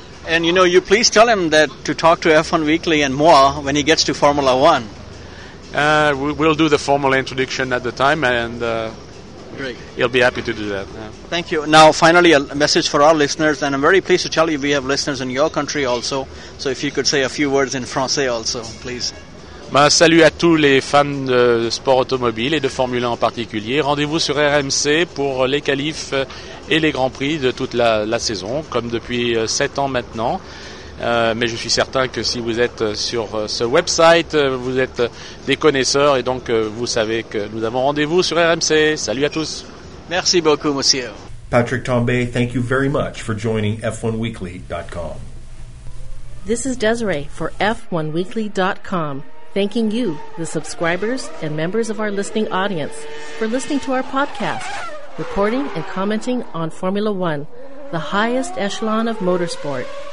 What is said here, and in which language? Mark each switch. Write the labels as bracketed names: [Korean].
[English] And, you please tell him that to talk to F1 Weekly and moi when he gets to Formula One. We'll do the formal introduction at the time, and Great. He'll be happy to do that. Yeah. Thank you. Now, finally, a message for our listeners, and I'm very pleased to tell you we have listeners in your country also. So if you could say a few words in Francais also, please. [French] Ben, salut à tous les fans de sport automobile et de Formule 1 en particulier. Rendez-vous sur RMC pour les qualifs et les Grands Prix de toute la saison, comme depuis 7 ans maintenant. Mais je suis certain que si vous êtes sur ce website, vous êtes des connaisseurs et donc vous savez que nous avons rendez-vous sur RMC. Salut à tous. Merci beaucoup, monsieur. [English] Patrick Tombé, thank you very much for joining F1Weekly.com. This is Desiree for F1Weekly.com, thanking you, the subscribers and members of our listening audience, for listening to our podcast, reporting and commenting on Formula One, the highest echelon of motorsport.